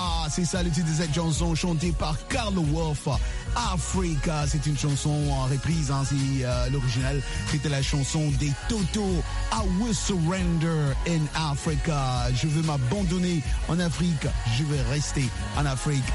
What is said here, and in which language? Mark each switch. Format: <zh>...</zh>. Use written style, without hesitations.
<fr>C'est ça le titre de cette chanson chantée par Carl Wolf. Africa, c'est une chanson en reprise, hein, c'est l'original. C'était la chanson des Toto.</fr> <en>I will surrender in Africa.</en> <fr>Je veux m'abandonner en Afrique. Je veux rester en Afrique.</fr>